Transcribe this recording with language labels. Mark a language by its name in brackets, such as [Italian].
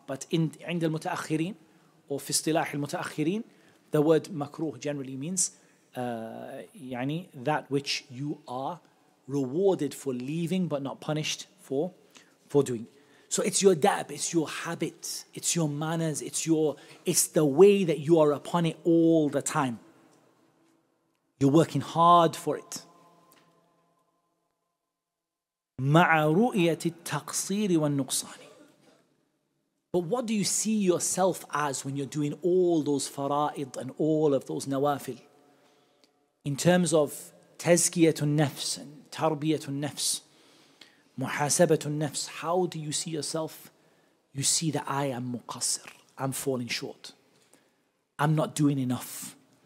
[English] But [Arabic] عند المتأخرين, [English] or [Arabic] في اصطلاح المتأخرين, [English] the word makruh generally means يعني that which you are rewarded for leaving but not punished for doing. So it's your dab, it's your habit, it's your manners, it's the way that you are upon it all the time. You're working hard for it. [Arabic] مع رؤية التقصير والنقصان. [English] But what do you see yourself as when you're doing all those fara'id and all of those nawafil? In terms of tazkiyatun nafs and tarbiyatun nafs, muhasabatun nafs, how do you see yourself? You see that I am muqassir, I'm falling short. I'm not doing enough.